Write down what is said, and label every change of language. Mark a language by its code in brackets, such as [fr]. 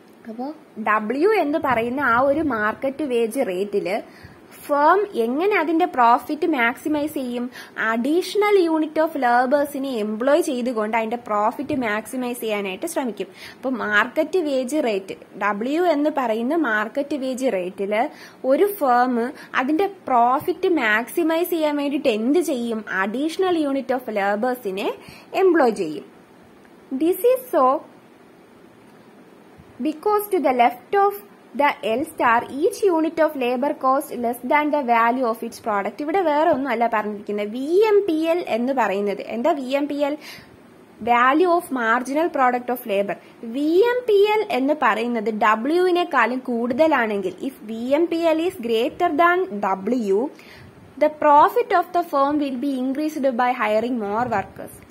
[ml] അപ്പോ ഡബ്ല്യു എന്ന് പറയുന്ന ആ ഒരു മാർക്കറ്റ് വേജ് റേറ്റില് ഫേം എങ്ങനെ അതിന്റെ പ്രോഫിറ്റ് മാക്സിമൈസ് ചെയ്യും, അഡീഷണൽ യൂണിറ്റ് ഓഫ് ലേബേഴ്സിനെ എംപ്ലോയ് ചെയ്തുകൊണ്ട് അതിന്റെ പ്രോഫിറ്റ് മാക്സിമൈസ് ചെയ്യാനായിട്ട് ശ്രമിക്കും. അപ്പൊ മാർക്കറ്റ് വേജ് റേറ്റ് ഡബ്ല്യു എന്ന് പറയുന്ന മാർക്കറ്റ് വേജ് റേറ്റില് ഒരു ഫേം അതിന്റെ പ്രോഫിറ്റ് മാക്സിമൈസ് ചെയ്യാൻ വേണ്ടിയിട്ട് എന്ത് ചെയ്യും, അഡീഷണൽ യൂണിറ്റ് ഓഫ് ലേബേഴ്സിനെ എംപ്ലോയ് ചെയ്യും. [en] This is so because to the left of the L star each unit of labor cost less than the value of its product. [ml] ഇവിടെ വേറെ ഒന്നും അല്ല പറഞ്ഞിരിക്കുന്നത്, വി എം പി എൽ എന്ന് പറയുന്നത് എന്താ, V M P L value of marginal product of labour. V M P L എന്ന് പറയുന്നത് ഡബ്ല്യുവിനേക്കാളും കൂടുതലാണെങ്കിൽ, [en] If V M P L is greater than W the profit of the firm will be increased by hiring more workers.